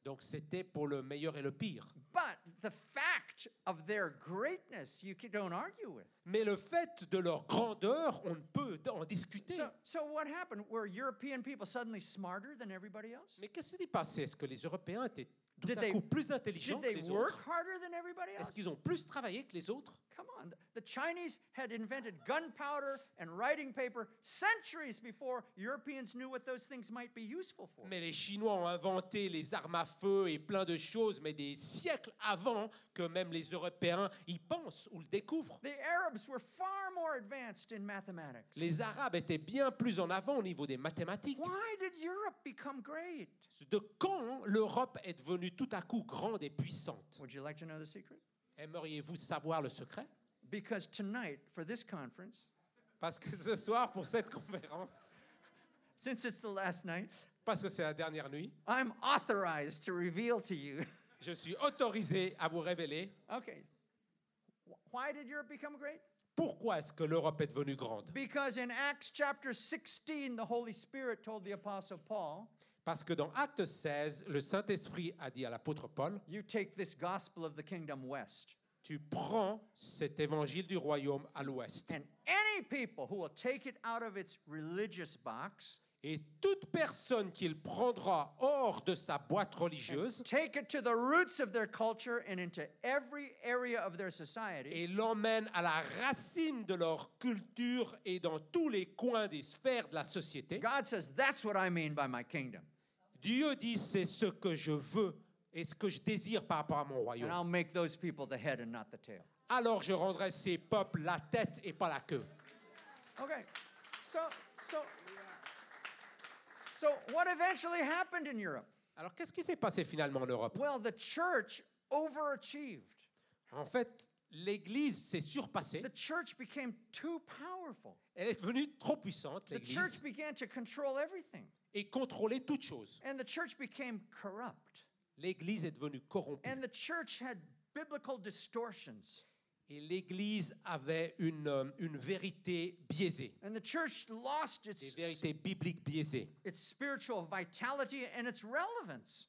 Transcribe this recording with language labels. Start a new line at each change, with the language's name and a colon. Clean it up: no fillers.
French: Donc c'était pour le meilleur et le pire.
English: But the fact of their greatness, you don't argue with.
French: Mais le fait de leur grandeur, on ne peut en discuter.
English: So what happened? Were European people suddenly smarter than everybody else?
French: Mais qu'est-ce qui s'est passé? Est-ce que les Européens étaient tout à coup plus intelligents que les autres?
English: Did they work harder than everybody else?
French: Est-ce qu'ils ont plus travaillé que les autres?
English: Come on, the Chinese had invented gunpowder and writing paper centuries before Europeans knew what those things might be useful for.
French: Mais les Chinois ont inventé les armes à feu et plein de choses, mais des siècles avant que même les Européens y pensent ou le découvrent.
English: The Arabs were far more advanced in mathematics.
French: Les Arabes étaient bien plus en avant au niveau des mathématiques.
English: Why did Europe become great?
French: De quand l'Europe est devenue tout à coup grande et puissante?
English: Would you like to know the secret?
French: Aimeriez-vous savoir le secret?
English: Because tonight, for this conference,
French: parce que ce soir, pour cette conférence,
English: since it's the last night,
French: parce que c'est la dernière nuit,
English: I'm authorized to reveal to you.
French: Je suis autorisé à vous révéler.
English: Okay. Why did Europe become great?
French: Pourquoi est-ce que l'Europe est devenue grande?
English: Because in Acts chapter 16, the Holy Spirit told the Apostle Paul.
French: Parce que dans Actes 16, le Saint-Esprit a dit à l'apôtre Paul,
English: you take this gospel of the kingdom west.
French: Tu prends cet évangile du royaume à l'ouest.
English: And any people who will take it out of its religious box,
French: et toute personne qu'il prendra hors de sa boîte religieuse,
English: and take it to the roots of their culture and into every area of their society,
French: et l'emmène à la racine de leur culture et dans tous les coins des sphères de la société,
English: God says, that's what I mean by my kingdom.
French: Dieu dit, c'est ce que je veux et ce que je désire par rapport à mon royaume.
English: And I'll make those people the head and not the tail.
French: Alors je rendrai ces peuples la tête et pas la queue.
English: Okay, so. So what eventually happened in Europe?
French: Alors qu'est-ce qui s'est passé finalement en Europe?
English: Well, the church overachieved.
French: En fait, l'église s'est surpassée.
English: The church became too powerful.
French: Elle est devenue trop puissante, l'église.
English: The church began to control everything.
French: Et contrôler toutes choses.
English: And the church became corrupt.
French: L'église est devenue corrompue.
English: And the church had biblical distortions.
French: Et l'Église avait une vérité biaisée.
English: And the church lost its,
French: des vérités bibliques biaisées.
English: Its spiritual vitality and its relevance.